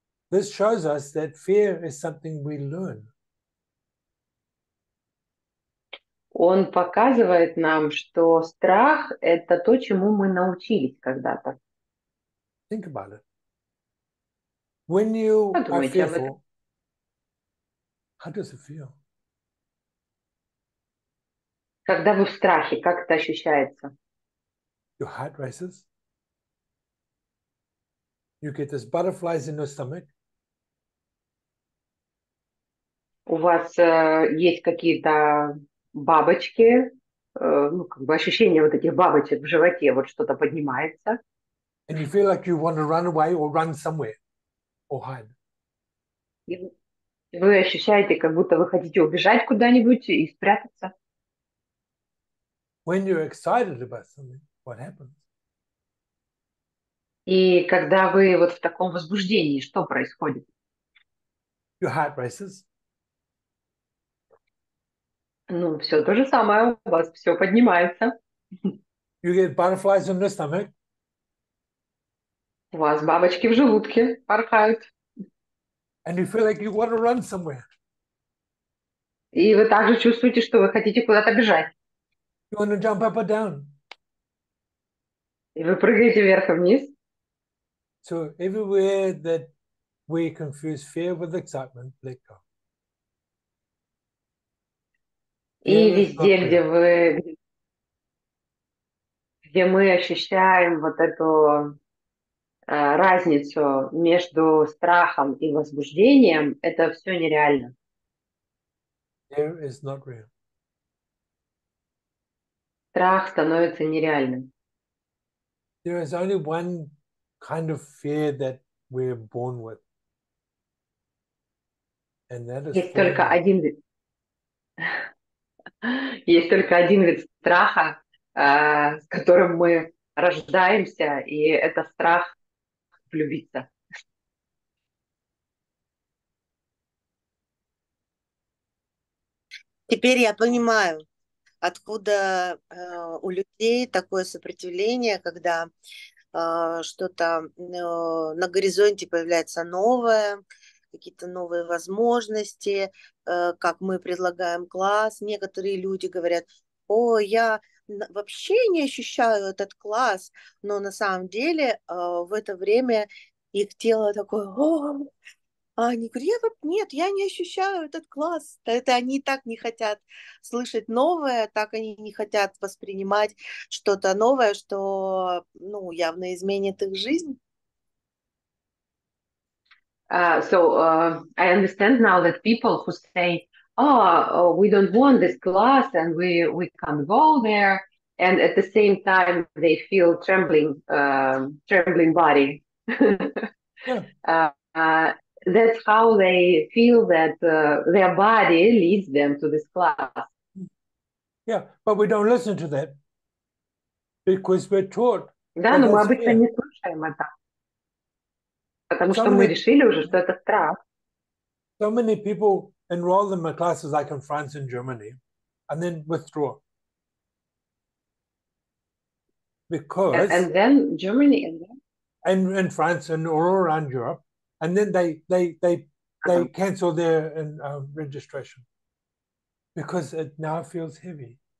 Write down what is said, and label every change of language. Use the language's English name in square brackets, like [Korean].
[English] This shows us that fear is something we learn. [Russian] Он показывает нам, что страх – это то, чему мы научились когда-то. [English] Think about it. When you are [Russian] Подумайте об этом. [English] fearful, how does it feel? [Russian] Когда вы в страхе, как это ощущается? [English] Your heart races. You get these butterflies in your stomach. [Russian] У вас есть какие-то бабочки, ну, как бы ощущение вот этих бабочек в животе, вот что-то поднимается. [English] And you feel like you want to run away or run somewhere or hide. [Russian] И вы ощущаете, как будто вы хотите убежать куда-нибудь и спрятаться. [English] When you're excited about something, what happens? [Russian] И когда вы вот в таком возбуждении, что происходит? [English] Your heart races. [Russian] Ну, все то же самое, у вас все поднимается. [English] You get butterflies in the stomach. [Russian] У вас бабочки в желудке порхают. [English] And you feel like you want to run somewhere. [Russian] И вы также чувствуете, что вы хотите куда-то бежать. [English] You want to jump up or down. [Russian] И вы прыгаете вверх и вниз. [English] So everywhere that we confuse fear with excitement, let go. [Russian] И везде, где мы ощущаем вот эту разницу между страхом и возбуждением, это все нереально. [English] There is not real. [Russian] Страх становится нереальным. [English] There is only one kind of fear that we're born with, and that is [Russian] Есть только один вид. Есть только один вид страха, с которым мы рождаемся, и это страх влюбиться. Теперь я понимаю, откуда у людей такое сопротивление, когда что-то на горизонте появляется новое, какие-то новые возможности, как мы предлагаем класс. Некоторые люди говорят: о, я вообще не ощущаю этот класс, но на самом деле в это время их тело такое: о, они говорят: нет, я не ощущаю этот класс. Это они так не хотят слышать новое, так они не хотят воспринимать что-то новое, что, ну, явно изменит их жизнь. [English] I understand now that people who say, oh, we don't want this class and we can't go there, and at the same time they feel trembling, trembling body. Yeah. That's how they feel, that their body leads them to this class. Yeah, but we don't listen to that because we're taught. [Russian] Да, но мы обычно не слушаем это. Потому что мы решили уже, что это страх. [English] So many people enroll in my classes, like in France and Germany, and then withdraw. Because and then Germany and then and France and all around Europe, and then they cancel their registration because it now feels heavy.